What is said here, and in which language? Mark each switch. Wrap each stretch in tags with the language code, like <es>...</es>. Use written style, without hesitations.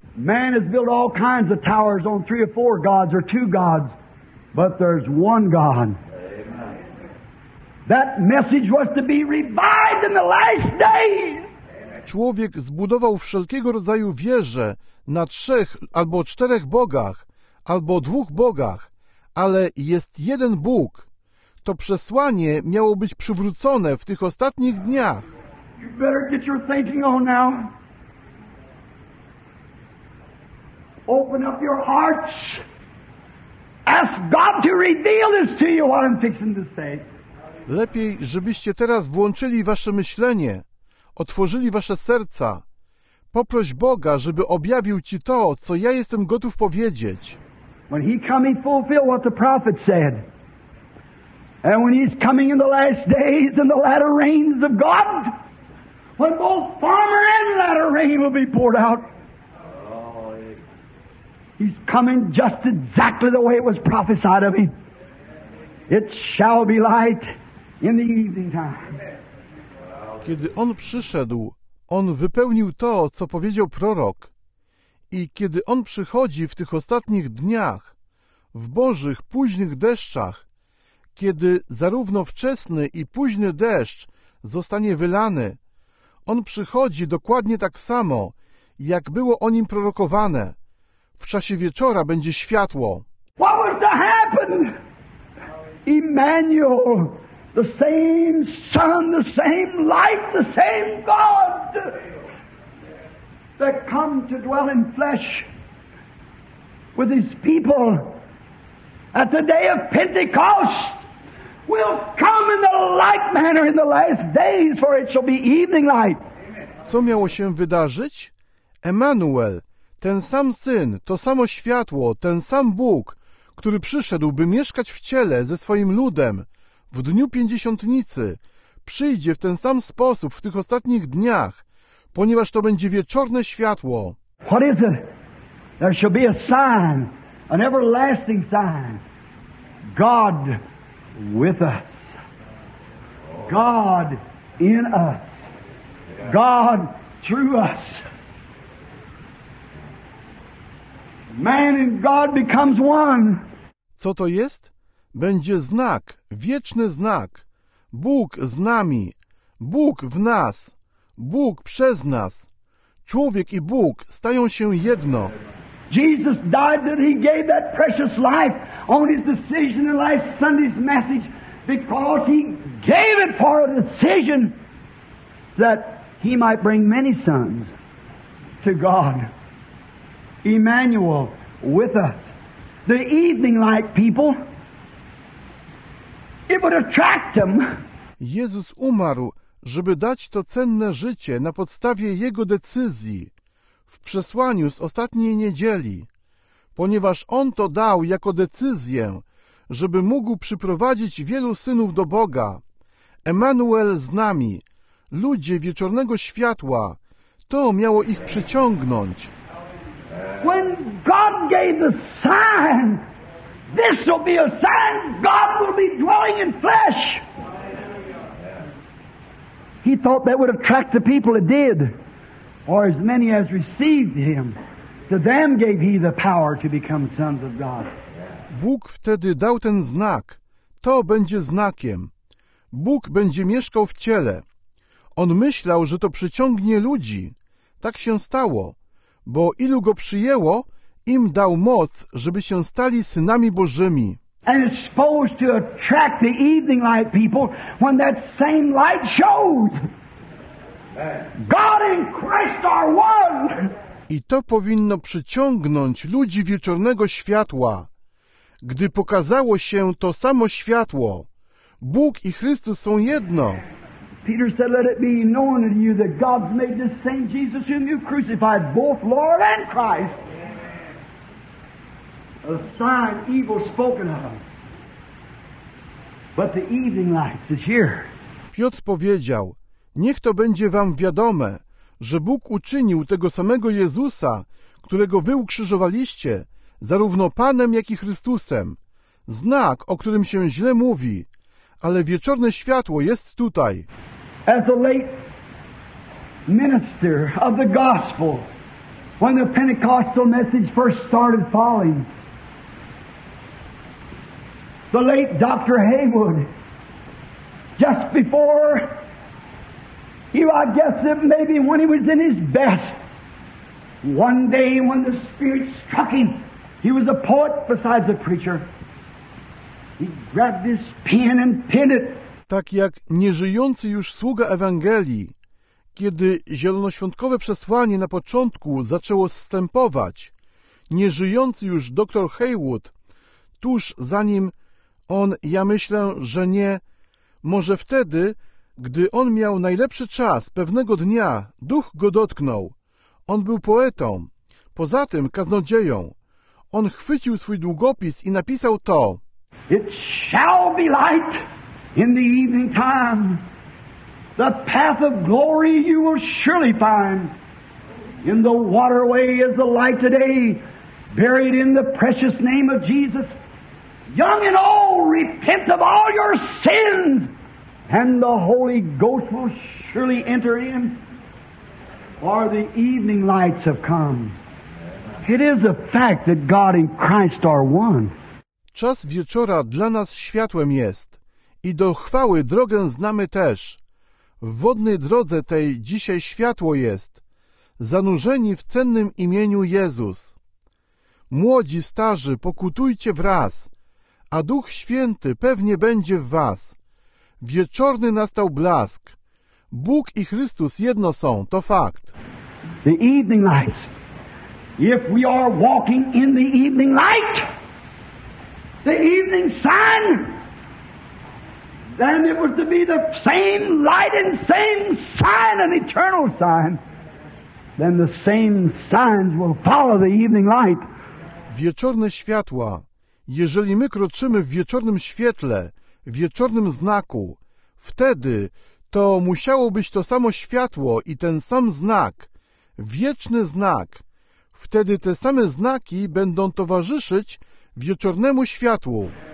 <en>Man has built all kinds of towers on three or four gods or two gods, but there's one God. That message was to be revived in the last days.</en> <pl>Człowiek zbudował wszelkiego rodzaju wieże na trzech albo czterech bogach, albo dwóch bogach, ale jest jeden Bóg. To przesłanie miało być przywrócone w tych ostatnich dniach.</pl> <en>You better get your thinking on now. Open up your hearts. Ask God to reveal this to you, what I'm fixing to say.</en> <pl>Lepiej, żebyście teraz włączyli wasze myślenie. Otworzyli wasze serca. Poproś Boga, żeby objawił ci to, co ja jestem gotów powiedzieć.</pl> <en>When he come, he fulfilled what the prophet said. And when he's coming in the last days and the latter rains of God, when both farmer and latter rain will be poured out, he's coming just exactly the way it was prophesied of him. It shall be light in the evening time.</en> <pl>Kiedy on przyszedł, on wypełnił to, co powiedział prorok. I kiedy on przychodzi w tych ostatnich dniach, w Bożych późnych deszczach, kiedy zarówno wczesny i późny deszcz zostanie wylany, on przychodzi dokładnie tak samo, jak było o nim prorokowane. W czasie wieczora będzie światło.</pl> <en>What was to happen? Emmanuel. The same sun, the same light, the same God that come to dwell in flesh with his people at the day of Pentecost will come in the like manner in the last days, for it shall be evening light.</en> <pl>Co miało się wydarzyć? Emmanuel, ten sam syn, to samo światło, ten sam Bóg, który przyszedł, by mieszkać w ciele ze swoim ludem, w dniu Pięćdziesiątnicy przyjdzie w ten sam sposób w tych ostatnich dniach, ponieważ to będzie wieczorne światło.</pl> <en>What is it? There shall be a sign, an everlasting sign. God with us. God in us. God through us. Man and God becomes one.</en> <pl>Co to jest? Będzie znak, wieczny znak. Bóg z nami, Bóg w nas, Bóg przez nas. Człowiek i Bóg stają się jedno.</pl> <en>Jesus died that he gave that precious life on his decision in last Sunday's message because he gave it for a decision that he might bring many sons to God. Emmanuel with us. The evening light people. It would attract him.</en> <pl>Jezus umarł, żeby dać to cenne życie na podstawie Jego decyzji w przesłaniu z ostatniej niedzieli, ponieważ On to dał jako decyzję, żeby mógł przyprowadzić wielu synów do Boga. Emmanuel z nami, ludzie wieczornego światła, to miało ich przyciągnąć.</pl> <en>When God gave the sign, this will be a sign. God will be dwelling in flesh. He thought that would attract the people. It did. Or as many as received him, to them gave he the power to become sons of God.</en> <pl>Bóg wtedy dał ten znak. To będzie znakiem. Bóg będzie mieszkał w ciele. On myślał, że to przyciągnie ludzi. Tak się stało, bo ilu go przyjęło, im dał moc, żeby się stali synami Bożymi.</pl> <en>And it's supposed to attract the evening light people when that same light shows. God and Christ are one.</en> <pl>I to powinno przyciągnąć ludzi wieczornego światła, gdy pokazało się to samo światło. Бог и Христос са едно.</pl> <en>Peter said, "Let it be known unto you that God's made this same Jesus whom you crucified, both Lord and Christ, a sign evil spoken of. But the evening light is here."</en> <pl>Piotr powiedział, "Niech to będzie wam wiadome, że Bóg uczynił tego samego Jezusa, którego wy ukrzyżowaliście, zarówno Panem, jak i Chrystusem. Znak, o którym się źle mówi, ale wieczorne światło jest tutaj."</pl> <en>As the late minister of the gospel, when the Pentecostal message first started falling, the late Dr. Haywood, just before he, I guess that maybe when he was in his best, one day when the Spirit struck him, he was a poet besides a preacher, he grabbed his pen and pinned it.</en> <pl>Tak jak nieżyjący już sługa Ewangelii, kiedy zielonoświątkowe przesłanie na początku zaczęło zstępować, nieżyjący już dr Haywood, tuż zanim on, ja myślę, że nie, może wtedy, gdy on miał najlepszy czas, pewnego dnia duch go dotknął. On był poetą, poza tym kaznodzieją. On chwycił swój długopis i napisał to.</pl> <en>It shall be light. In the evening time, the path of glory you will surely find. In the waterway is the light today, buried in the precious name of Jesus. Young and old, repent of all your sins, and the Holy Ghost will surely enter in. For the evening lights have come. It is a fact that God and Christ are one.</en> <pl>Czas wieczora dla nas światłem jest. I do chwały drogę znamy też. W wodnej drodze tej dzisiaj światło jest. Zanurzeni w cennym imieniu Jezus. Młodzi, starzy, pokutujcie wraz, a Duch Święty pewnie będzie w was. Wieczorny nastał blask. Bóg i Chrystus jedno są, to fakt.</pl> <en>The evening light. If we are walking in the evening light, the evening sun, then it was to be the same light and same sign, an eternal sign. Then the same signs will follow the evening light.</en> <pl>Wieczorne światła. Jeżeli my kroczymy w wieczornym świetle, w wieczornym znaku, wtedy to musiało być to samo światło i ten sam znak, wieczny znak. Wtedy te same znaki będą towarzyszyć wieczornemu światłu.</pl>